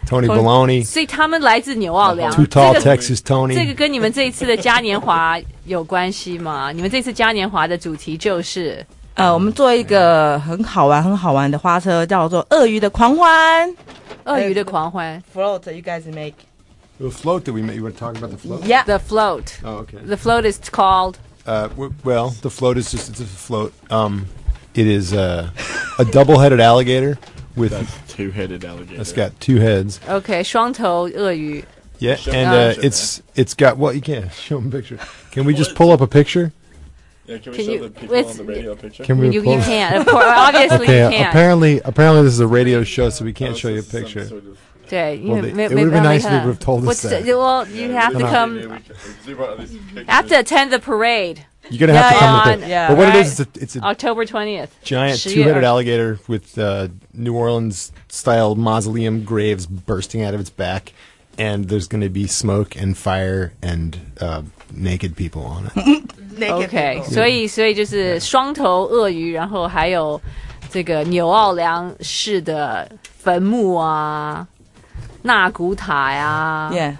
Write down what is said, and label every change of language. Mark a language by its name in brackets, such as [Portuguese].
[English] Tony Baloney。 [Chinese] 所以他们来自纽奥良。 [English] Too tall Texas Tony。 [Chinese] 这个跟你们这一次的嘉年华有关系吗？你们这次嘉年华的主题就是我们做一个很好玩很好玩的花车，叫做鳄鱼的狂欢。鳄鱼的狂欢 [English] ，float you guys make. The float that we make. You want to talk about the float? Yeah, the float. Oh, okay. The float is called. Well, the float is just it's a float. It is a double-headed alligator with two-headed alligator. It's got two heads. [Chinese] Okay, 双头鳄鱼 [English] Yeah, and it's got well, you can't show them a picture. Can we just pull up a picture? Yeah, can we show the people on the radio picture? Can we pull? You can't. Obviously, okay, you can't. Apparently, this is a radio show, so we can't show you a picture. Sort of 对 well, it would have been nice if you would have told us that. Well, you have to come. Have to attend the parade. You're going to have to come with it. Yeah, but what it is, it's October 20th. Giant two-headed alligator with New Orleans-style mausoleum graves bursting out of its back. And there's going to be smoke and fire and naked people on it. OK， [Chinese] 所以就是双头鳄鱼，然后还有这个纽奥良市的坟墓啊，纳古塔呀、啊。